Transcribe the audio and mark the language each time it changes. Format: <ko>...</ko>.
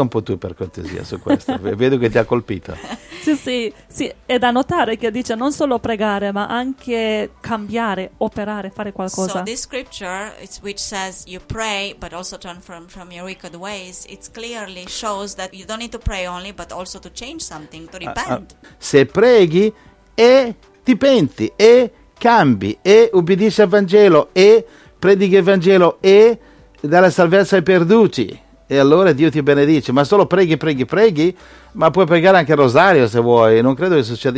<it>un po' tu per cortesia su questo, vedo che ti ha colpito. Sì, è da notare che dice non solo pregare, ma anche cambiare, operare, fare qualcosa.</it> <en>So this scripture, it's which says you pray, but also turn from your wicked ways, it clearly shows that you don't need to pray only, but also to change something, to repent.</en> <it>Se preghi e ti penti, e cambi, e ubbidisci al Vangelo, e predichi il Vangelo, e dalla salvezza ai perduti, e allora Dio ti benedice. Ma solo preghi, ma puoi pregare anche il rosario se vuoi, non credo che succeda.</it>